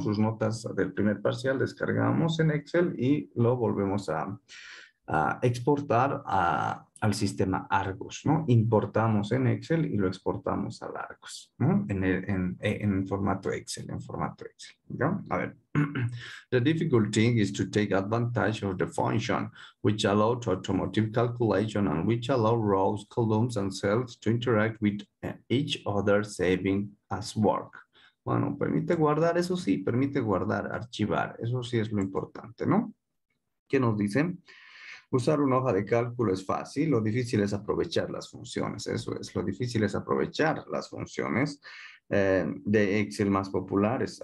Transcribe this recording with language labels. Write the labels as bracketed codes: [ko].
[es] Sus notas del primer parcial descargamos en Excel y lo volvemos a exportar al sistema Argos, ¿no? Importamos en Excel y lo exportamos al Argos, ¿no? En formato Excel, en formato Excel, ¿ya? A ver. [en] The difficult thing is to take advantage of the function which allow to automatic calculation and which allow rows, columns and cells to interact with each other saving as work. [es] Bueno, permite guardar, eso sí, permite guardar, archivar, eso sí es lo importante, ¿no? ¿Qué nos dicen? Usar una hoja de cálculo es fácil, lo difícil es aprovechar las funciones, eso es, lo difícil es aprovechar las funciones de Excel más populares.